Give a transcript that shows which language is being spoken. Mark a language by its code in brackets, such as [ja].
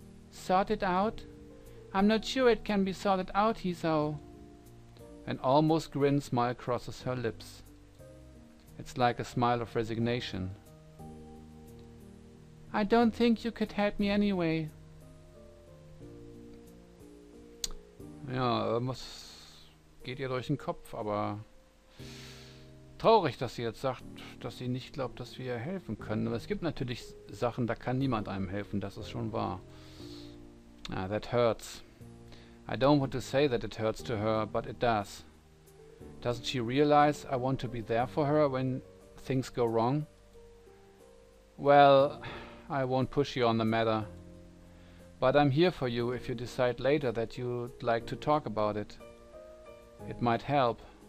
[en] Sort it out? I'm not sure it can be sorted out, Hisao. An almost grin smile crosses her lips. It's like a smile of resignation. I don't think you could help me anyway. [de] Ja, irgendwas geht ihr durch den Kopf, aber traurig, dass sie jetzt sagt, dass sie nicht glaubt, dass wir ihr helfen können. Aber es gibt natürlich Sachen, da kann niemand einem helfen, das ist schon wahr. [en] Ah, that hurts. I don't want to say that it hurts to her, but it does. Doesn't she realize I want to be there for her when things go wrong? Well, I won't push you on the matter. But I'm here for you if you decide later that you'd like to talk about it. It might help.